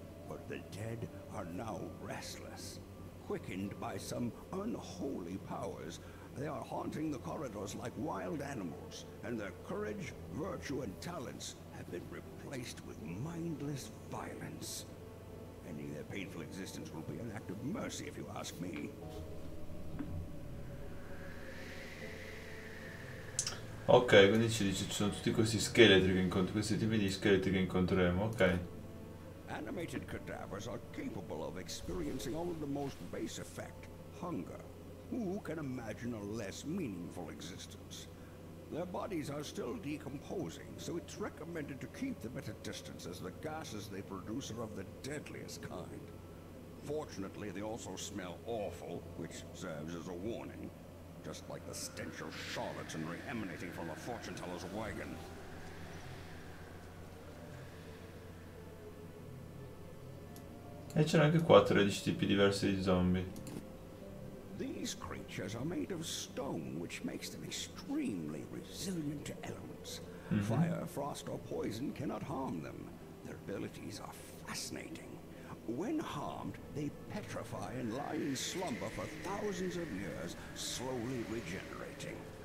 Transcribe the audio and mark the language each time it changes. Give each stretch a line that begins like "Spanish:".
English: But the dead are now restless. Quickened by some unholy powers, they are haunting the corridors like wild animals, and their courage, virtue, and talents have been replaced with mindless violence. Ending their painful existence will be an act of mercy, if you ask me.
Italian: Ok, quindi ci dice ci sono tutti questi scheletri che incontro, questi tipi di scheletri che incontreremo, ok.
English: Animated cadavers are capable of experiencing only the most base effect, hunger. Who can imagine a less meaningful existence? Their bodies are still decomposing, so it's recommended to keep them at a distance as the gases they produce are of the deadliest kind. Fortunately, they also smell awful, which serves as a warning, just like the stench of charlatanry emanating from a fortune teller's wagon.
Italian: E c'erano anche qua 13 tipi diversi di zombie.
English: These creatures are made of stone, which makes them extremely resilient to elements. Fire, frost, or poison cannot harm them. Their abilities are fascinating. When harmed, they petrify and lie in slumber for thousands of years, slowly regenerating.